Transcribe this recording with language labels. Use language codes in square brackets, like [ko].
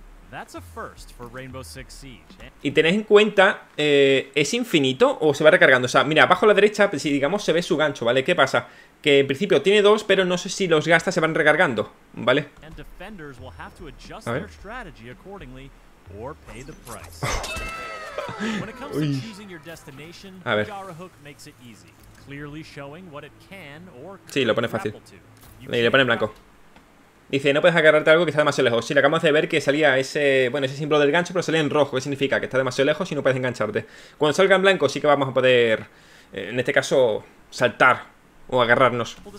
[en] That's a first for Rainbow Six Siege. [es] Y tened en cuenta, ¿es infinito o se va recargando? O sea, mira, abajo a la derecha, si digamos, se ve su gancho, ¿vale? ¿Qué pasa? Que en principio tiene dos, pero no sé si los gasta, se van recargando, ¿vale? [en] And defenders will have to adjust their strategy accordingly or pay the price. When it comes to choosing your destination, the Gaara hook makes it easy, clearly showing what it can or can't. [es] Sí, lo pone fácil. Y le pone en blanco. Dice, no puedes agarrarte algo que está demasiado lejos. Sí, le acabamos de ver que salía ese, bueno, ese símbolo del gancho, pero salía en rojo. ¿Qué significa? Que está demasiado lejos y no puedes engancharte. Cuando salga en blanco, sí que vamos a poder, en este caso, saltar o agarrarnos.